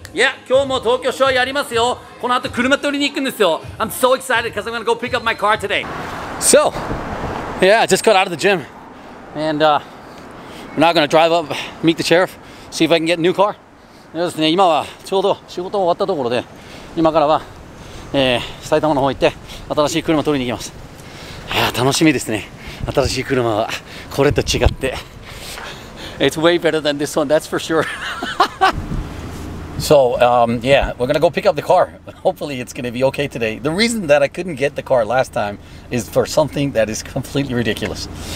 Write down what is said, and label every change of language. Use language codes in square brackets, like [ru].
[ja] Yeah, 今日も東京ショーやりますよ。この後車取りに行くんですよ。 [en] I'm so excited because I'm going to go pick up my car today. So, yeah, I just got out of the gym. And we're now going to drive up, meet the sheriff, see if I can get a new car. [ja] そうですね、今はちょうど仕事終わったところで、今からは、埼玉の方行って新しい車取りに行きます。楽しみですね。新しい車はこれと違って。 [en] It's way better than this one, that's for sure. So, yeah, we're going to go pick up the car. Hopefully it's going to be okay today. The reason that I couldn't get the car last time is for something that is completely ridiculous.